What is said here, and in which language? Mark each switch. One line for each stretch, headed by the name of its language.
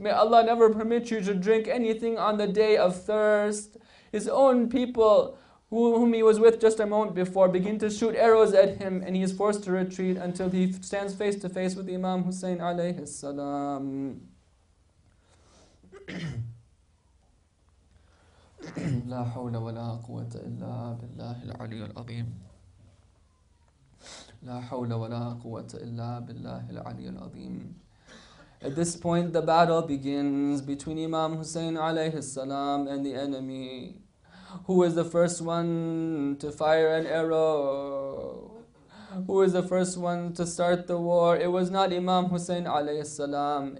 English: May Allah never permit you to drink anything on the day of thirst. His own people, whom he was with just a moment before, begin to shoot arrows at him, and he is forced to retreat until he stands face to face with Imam Hussein alayhi salam.
Arabic: لا حول ولا قوة إلا بالله العلي العظيم لا حول ولا قوة إلا بالله العلي العظيم.
English: At this point the battle begins between Imam Hussein alayhi salam and the enemy. Who is the first one to fire an arrow? Who is the first one to start the war? It was not Imam Hussein alayhi salam.